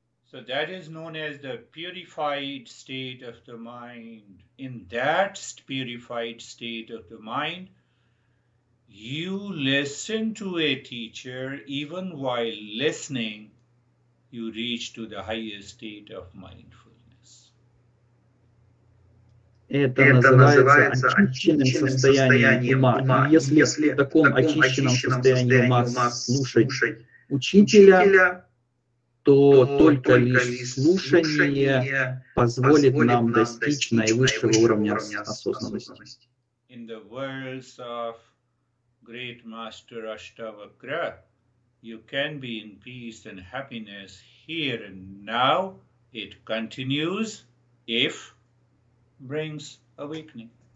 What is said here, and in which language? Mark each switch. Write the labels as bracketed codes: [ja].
[en] So that is known as the purified state of the mind. In that purified state of the mind, you listen to a teacher, even while listening, you reach to the highest state of mindfulness. [ru] Это называется очищенным состоянием ума. Если в таком очищенном состоянии ума слушать учителя, то только лишь слушание позволит нам достичь наивысшего уровня осознанности. [en] In the words of great master Ashtavakra, you can be in peace and happiness here and now. It continues if brings awakening.